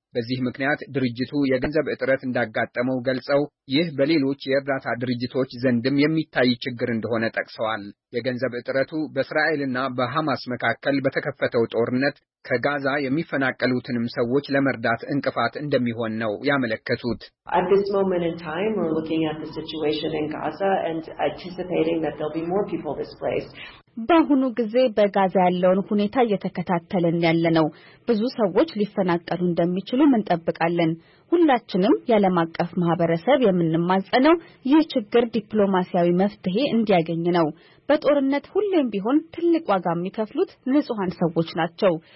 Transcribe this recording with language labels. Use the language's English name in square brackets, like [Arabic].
[Amharic] በዚህ ምክንያት ድርጅቱ የገንዘብ እጥረት እንዳጋጠመው ገልጸው ይህ በሌሎች የእርዳታ ድርጅቶች ዘንድም የሚታይ ችግር እንደሆነ ጠቅሰዋል። የገንዘብ እጥረቱ በእስራኤልና በሐማስ መካከል በተከፈተው ጦርነት ከጋዛ የሚፈናቀሉትንም ሰዎች ለመርዳት እንቅፋት እንደሚሆን ነው ያመለከቱት። [English] At this moment in time we're looking at the situation in Gaza and anticipating that there'll be more people displaced. [Amharic] በአሁኑ ጊዜ በጋዛ ያለውን ሁኔታ እየተከታተልን ያለነው ብዙ ሰዎች ሊፈናቀሉ እንደሚችሉ እንጠብቃለን። ሁላችንም የዓለም አቀፍ ማህበረሰብ የምንማጸነው ይህ ችግር ዲፕሎማሲያዊ መፍትሄ እንዲያገኝ ነው። በጦርነት ሁሌም ቢሆን ትልቅ ዋጋ የሚከፍሉት ንጹሃን ሰዎች ናቸው።